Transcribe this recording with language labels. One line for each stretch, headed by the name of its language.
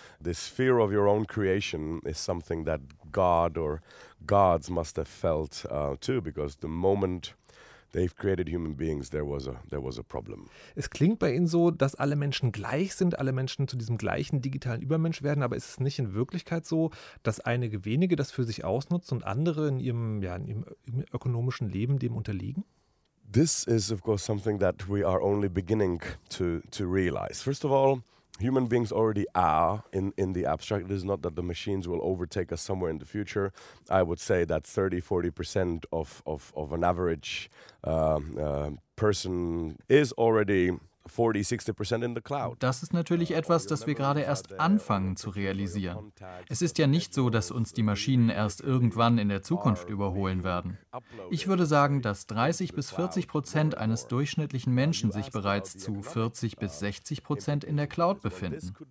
English: This fear of your own creation is something that God or gods must have felt too, because the moment they've created human beings, there was a problem.
German: Es klingt bei Ihnen so, dass alle Menschen gleich sind, alle Menschen zu diesem gleichen digitalen Übermensch werden, aber ist es nicht in Wirklichkeit so, dass einige wenige das für sich ausnutzen und andere in ihrem, ja, in ihrem ökonomischen Leben dem unterliegen?
English: This is of course something that we are only beginning to realize. First of all, human beings already are in the abstract. It is not that the machines will overtake us somewhere in the future. I would say that 30-40% of an average person is already 40-60% in the cloud.
German: Das ist natürlich etwas, das wir gerade erst anfangen zu realisieren. Es ist ja nicht so, dass uns die Maschinen erst irgendwann in der Zukunft überholen werden. Ich würde sagen, dass 30-40% eines durchschnittlichen Menschen sich bereits zu 40-60% in der Cloud befinden.